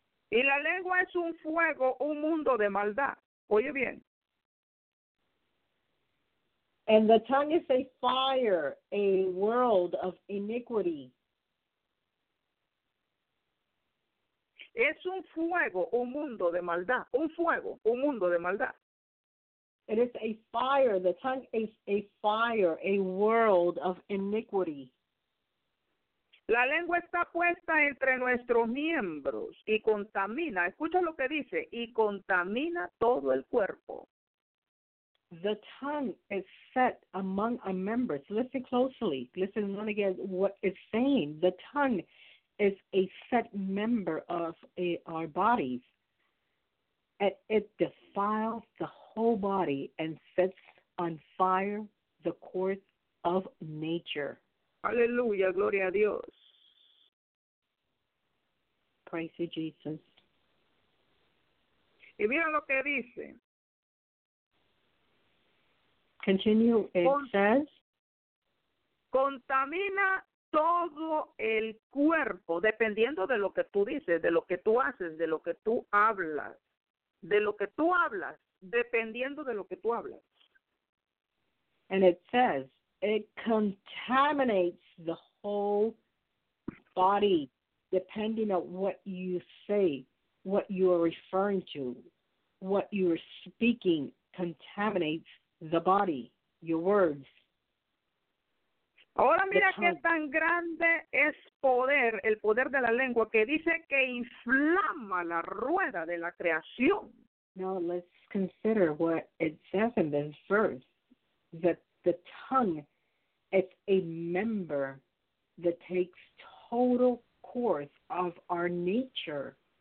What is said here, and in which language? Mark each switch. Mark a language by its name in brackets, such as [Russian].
[Spanish] Y la lengua es un fuego, un mundo de maldad. Oye bien. [English] And the tongue is a fire, a world of iniquity. [Spanish] Es un fuego, un mundo de maldad. Un fuego, un mundo de maldad. [English] It is a fire. The tongue is a fire, a world of iniquity. [Spanish] La lengua está puesta entre nuestros miembros y contamina. Escucha lo que dice. Y contamina todo el cuerpo. [English] The tongue is set among our members. Listen closely. Listen again what it's saying. The tongue is a set member of our bodies. It defiles the whole body and sets on fire the course of nature. [Spanish] Aleluya, gloria a Dios. [English] Praise you, Jesus. [Spanish] Y mira lo que dice. [English] Continue, it says. [Spanish] Contamina todo el cuerpo, dependiendo de lo que tú dices, de lo que tú haces, de lo que tú hablas. De lo que tú hablas, dependiendo de lo que tú hablas. [English] And it says, it contaminates the whole body, depending on what you say, what you are referring to, what you are speaking contaminates the body, your words. [Spanish] Ahora mira qué tan grande es poder, el poder de la lengua, que dice que inflama la rueda de la creación. [English] Now let's consider what it says in this verse, that the tongue is a member that takes total course of our nature.